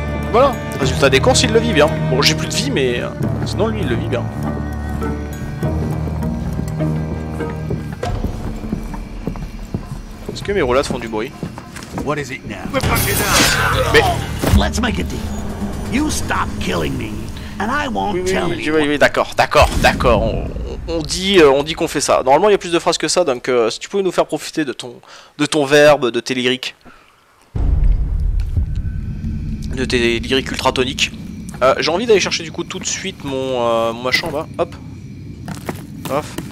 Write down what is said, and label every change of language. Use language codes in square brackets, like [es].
[fr] Voilà, résultat des courses, il le vit bien. Bon, j'ai plus de vie, mais sinon lui, il le vit bien. Est-ce que mes roulades font du bruit? [en] What is it now? We're fucking out. [fr] Mais... [en] Let's make a deal. You stop killing me, and I won't tell [fr] you. Oui, d'accord. On dit qu'on fait ça. Normalement, il y a plus de phrases que ça, donc si tu pouvais nous faire profiter de ton verbe, de tes lyriques. De tes lyriques ultratoniques. J'ai envie d'aller chercher du coup tout de suite mon machin là. Hop. Hop.